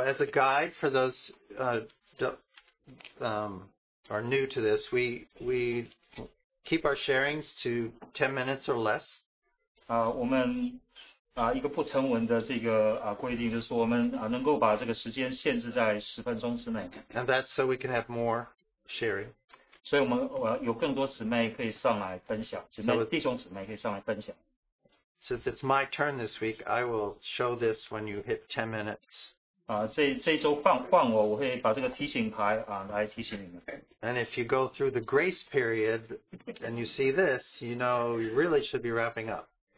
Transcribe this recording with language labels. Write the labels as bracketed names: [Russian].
[English] as a guide for those are new to this, we keep our sharings to 10 minutes or less. [Chinese] 我们一个不成文的规定就是我们能够把这个时间限制在10分钟之内。 [English] And that's so we can have more sharing. [Chinese] 所以我们有更多姊妹可以上来分享，姊妹弟兄姊妹可以上来分享。 [English] Since it's my turn this week, I will show this when you hit 10 minutes. [Chinese] 这一周换我，我会把这个提醒牌来提醒你们。 [English] And if you go through the grace period and you see this, you know you really should be wrapping up.